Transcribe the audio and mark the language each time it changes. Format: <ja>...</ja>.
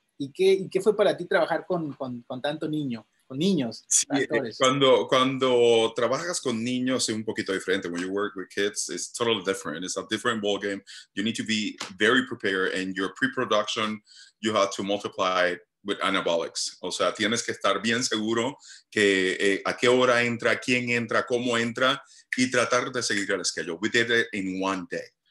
<es>¿Y qué fue para ti trabajar con tanto niño, con niños, sí, actores? Cuando trabajas con niños es un poquito diferente.</es> <en>When you work with kids, it's totally different. It's a different ballgame. You need to be very prepared, and your pre-production, you have to multiply with anabolics.</en> <es>O sea, tienes que estar bien seguro que a qué hora entra, quién entra, cómo entra, y tratar de seguir el schedule.</es> <en>We did it in one day.</en>